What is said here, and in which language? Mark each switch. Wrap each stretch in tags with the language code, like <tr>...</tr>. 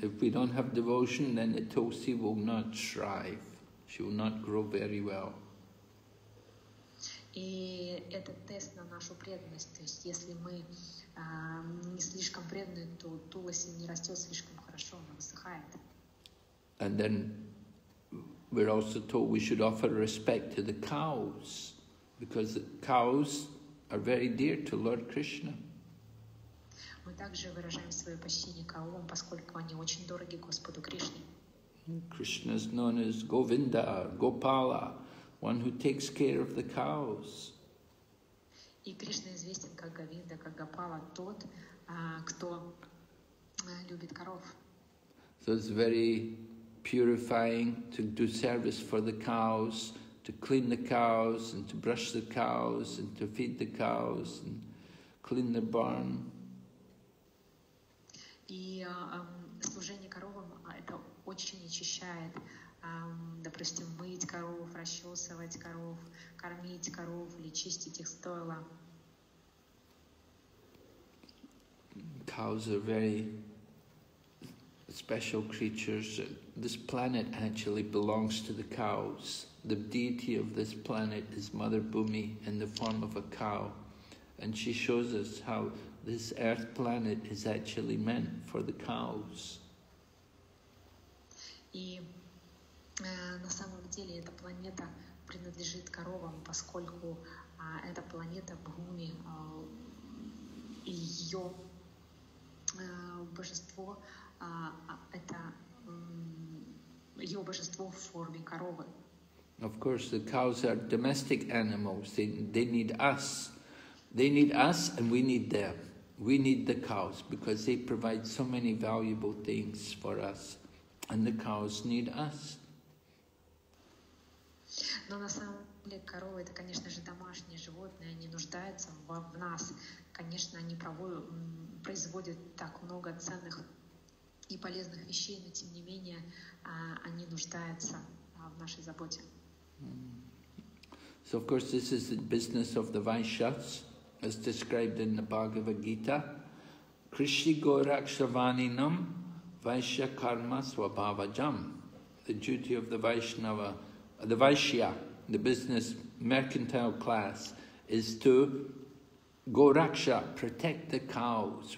<en>If we don't have devotion, then the Tosi will not thrive. She will not grow very well.</en> <ru>И это тест на нашу преданность. То есть, если мы не слишком преданы, то Туласи не растет слишком хорошо, она высыхает.</ru> <en>And then we're also told we should offer respect to the cows, because the cows are very dear to Lord Krishna.</en> <ru>Мы также выражаем свое почтение коровам, поскольку они очень дороги Господу Кришне.</ru> <en>Krishna is known as Govinda, Gopala, one who takes care of the cows.</en> <ru>И Кришна известен как Говинда, как Гопала, тот, кто любит коров.</ru> <en>So it's very purifying to do service for the cows, to clean the cows, and to brush the cows, and to feed the cows, and clean the barn.</en> <ru>И служение коровам это очень очищает, допустим, мыть коров, расчесывать коров, кормить коров или чистить их стойла.</ru> <en>Cows are very special creatures. This planet actually belongs to the cows. The deity of this planet is Mother Bhumi in the form of a cow, and she shows us how this earth planet is actually meant for the cows.</en> <ru>И на самом деле эта планета принадлежит коровам, поскольку эта планета Бхуми, ее божество, это ее божество в форме коровы.</ru> <en>Of course, the cows are domestic animals. They need us. They need us, and we need them. We need the cows because they provide so many valuable things for us, and the cows need us.</en> <ru>Но на самом деле коровы это, конечно же, домашние животные. Они нуждаются в нас. Конечно, они производят так много ценных и полезных вещей, но тем не менее они нуждаются в нашей заботе.</ru> <en>So, of course, this is the business of the Vaishyas. As described in the Bhagavad Gita,</en> <sa>Krishi Gorakshavaninam Vaishya Karma Swabhavajam.</sa> <en>The duty of the Vaishnava, the Vaishya, the business mercantile class, is to Goraksha, protect the cows.</en>